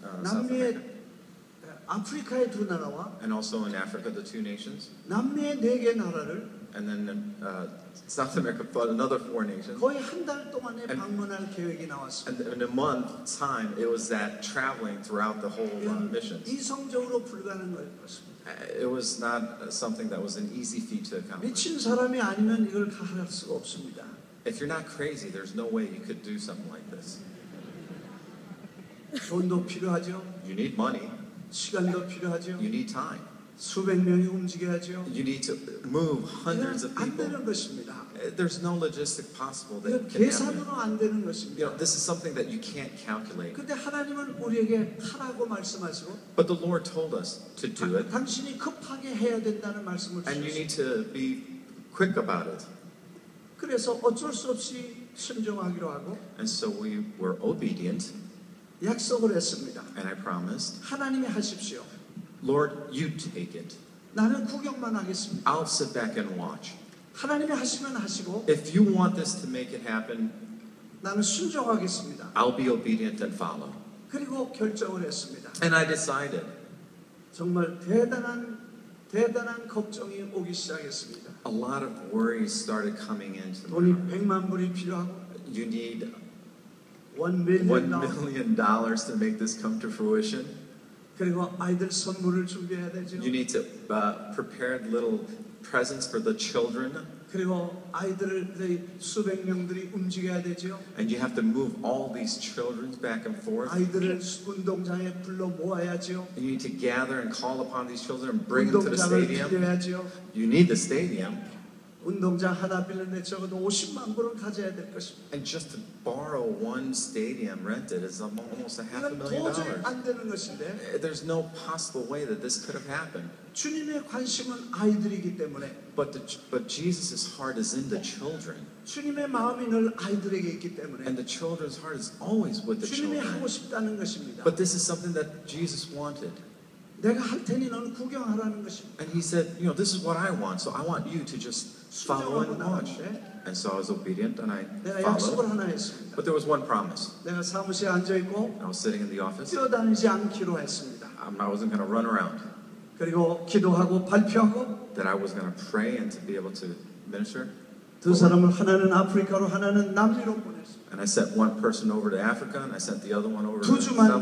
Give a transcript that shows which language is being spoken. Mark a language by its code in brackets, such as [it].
[ko] 남미의 아프리카의 두 나라와 [en] and also in Africa the 2 nations, [ko] 남미의 4개 나라를 [en] and then South America but another 4 nations. [ko] 거의 한 달 동안에 방문할 계획이 나왔습니다. [en] And in a month time, it was that traveling throughout the whole mission. [ko] 이성적으로 불가능한 것입니다. [en] It was not something that was an easy feat to accomplish. [ko] 미친 사람이 아니면 이걸 할 수가 없습니다. [en] If you're not crazy, there's no way you could do something like this. [ko] 돈도 필요하죠. [en] You need money. [ko] 시간도 필요하죠. [en] You need time. [ko] 수백 명이 움직여야죠. [en] You need to move hundreds of people. [ko] 안 되는 것입니다. [en] There's no logistic possible that [ko] 계산으로 [en] happen. [ko] 안 되는 것입니다. [en] You know, this is something that you can't calculate. [ko] 근데 하나님은 우리에게 하라고 말씀하시고 [en] But the Lord told us to do it. [ko] 당신이 급하게 해야 된다는 말씀을 [en] And you need to be quick about it. [ko] 그래서 어쩔 수 없이 순종하기로 하고 [en] And so we were obedient. [ko] 약속을 했습니다. [en] And I promised. [ko] 하나님이 하십시오. [en] Lord, you take it. [ko] 나는 구경만 하겠습니다. [en] I'll sit back and watch. [ko] 하나님이 하시면 하시고 [en] If you want this to make it happen, [ko] 나는 순종하겠습니다. [en] I'll be obedient and follow. [ko] 그리고 결정을 했습니다. [en] And I decided. [ko] 정말 대단한 걱정이 오기 시작했습니다. [en] A lot of worries started coming into my [ko] 돈이 100만 불이 필요하고 [en] You need $1 million to make this come to fruition. [ko] 그리고 아이들 선물을 준비해야 되죠. [en] You need to prepare little presents for the children. [ko] 그리고 아이들을 수백 명들이 움직여야 되죠. [en] And you have to move all these children back and forth. [ko] 아이들을 운동장에 불러 모아야죠. [en] You need to gather and call upon these children and bring them to the stadium. [ko] 빌려야죠. [en] You need the stadium. [ko] 운동장 하나 빌리는데 적어도 50만 불은 가져야 될 것입니다. [en] And just to borrow one stadium rented is almost $500,000. [ko] 안 되는 것인데. [en] There's no possible way that this could have happened. [ko] 주님의 관심은 아이들이기 때문에. [en] But Jesus' heart is in the children. [ko] 주님의 마음이 늘 아이들에게 있기 때문에. [en] And the children's heart is always with the children. [ko] 주님이 하고 싶다는 것입니다. [en] But this is something that Jesus wanted. [ko] 내가 할 테니 너는 구경하라는 것입니다. [en] And he said, you know, this is what I want, so I want you to just follow and watch. [ko] 네? [en] And so I was obedient and I followed. But there was one promise. [ko] 내가 사무실에 앉아 있고. [en] I was sitting in the office. [ko] 뛰어다니지 않기로 했습니다. [en] I wasn't going to run around. [ko] 그리고 기도하고 발표하고. [en] That I was going to pray and to be able to minister. [ko] 두 사람을 하나는 아프리카로 하나는 남미로 보냈습니다. [en] And I sent one person over to Africa and I sent the other one over to South America.